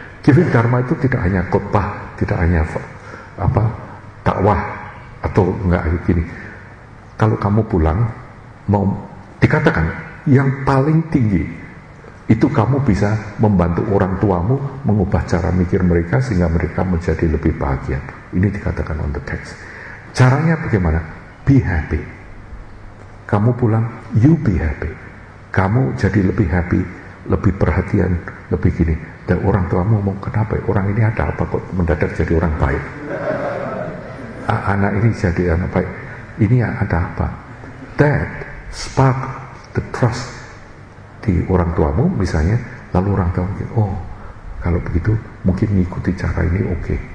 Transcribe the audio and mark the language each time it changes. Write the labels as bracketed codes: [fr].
[id] Giving dharma itu tidak hanya khotbah, tidak hanya apa dakwah atau enggak gini. Kalau kamu pulang mau dikatakan yang paling tinggi itu kamu bisa membantu orang tuamu mengubah cara mikir mereka sehingga mereka menjadi lebih bahagia. Ini dikatakan [en] on the text. [id] Caranya bagaimana? [en] Be happy. [id] Kamu pulang, [en] you be happy. [id] Kamu jadi lebih happy, lebih perhatian, lebih gini. Dan orang tuamu ngomong, kenapa orang ini ada apa kok mendadak jadi orang baik? Anak ini jadi anak baik. Ini ada apa? [en] That spark the trust [id] di orang tuamu misalnya, lalu orang tua mungkin, oh kalau begitu mungkin mengikuti cara ini oke.